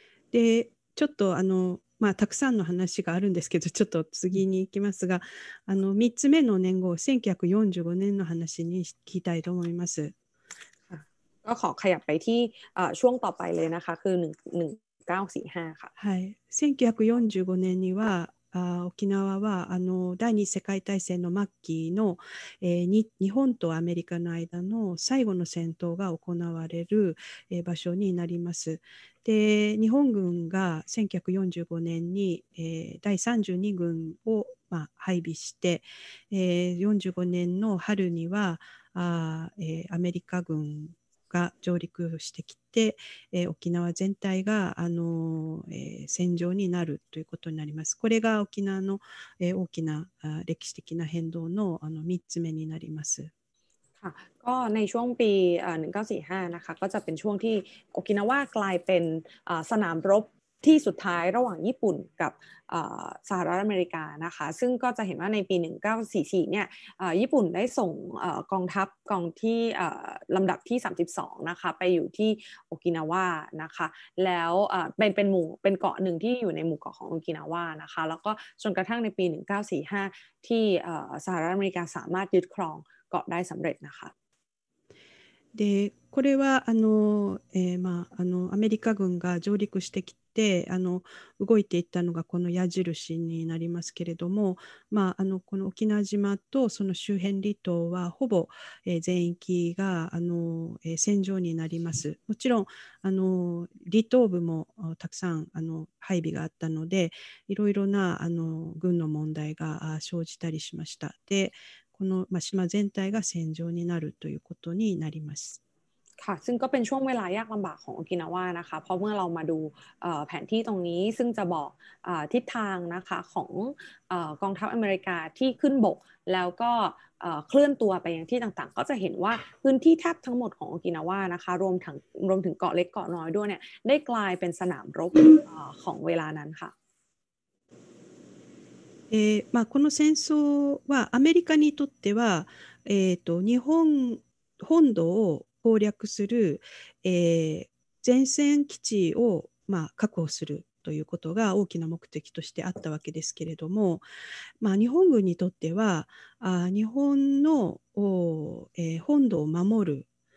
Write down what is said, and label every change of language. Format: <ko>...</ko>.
<ja>でちょっとまあ、たくさんの話があるんですけど、ちょっと次に行きますが、3つ目の年号、1945年の話に聞きたいと思います。</ja> <th>ก็ขอขยับไปที่ช่วงต่อไปเลยนะคะ、คือ1945ค่ะ。</th> <ja>はい。 1945年には、沖縄は第二次世界大戦の末期の、日本とアメリカの間の最後の戦闘が行われる、場所になります。で、日本軍が1945年に、第32軍を、まあ、配備して、45年の春にはアメリカ軍が上陸してきて、沖縄全体が戦場になるということになります。これが沖縄の、大きな歴史的な変動の、3つ目になります。</ja> <th>ก็ในช่วงปี1945นะคะก็จะเป็นช่วงที่โอกินาวากลายเป็นสนามรบที่สุดท้ายระหว่างญี่ปุ่นกับ สหรัฐอเมริกานะคะซึ่งก็จะเห็นว่าในปี1944เนี่ยญี่ปุ่นได้ส่งกองทัพกองที่ลำดับที่32นะคะไปอยู่ที่โอกินาวานะคะแล้วเป็นหมู่เป็นเกาะหนึ่งที่อยู่ในหมู่เกาะของโอกินาวานะคะแล้วก็จนกระทั่งในปี1945ที่สหรัฐอเมริกาสามารถยึดครองเกาะได้สำเร็จนะคะ</th> <ja>でこれはまあ、アメリカ軍が上陸してきて動いていったのがこの矢印になりますけれども、まあ、この沖縄島とその周辺離島はほぼ、全域が戦場になります。もちろん離島部もたくさん配備があったのでいろいろな軍の問題が生じたりしました。でこの、まあ、島全体が戦場になるということになります。</ja> <th>ค่ะซึ่งก็เป็นช่วงเวลายากลำบากของโอกินาวานะคะเพราะเมื่อเรามาดูแผนที่ตรงนี้ซึ่งจะบอกทิศทางนะคะของกองทัพอเมริกาที่ขึ้นบกแล้วก็เคลื่อนตัวไปยังที่ต่างๆก็จะเห็นว่าพื้นที่แทบทั้งหมดของโอกินาวานะคะรวมถึงเกาะเล็กเกาะน้อยด้วยเนี่ยได้กลายเป็นสนามรบของเวลานั้นค่ะ</th> <ja>まあこの戦争はアメリカにとっては日本本土を攻略する、前線基地を、まあ、確保するということが大きな目的としてあったわけですけれども、まあ、日本軍にとっては日本の、本土を守</ja>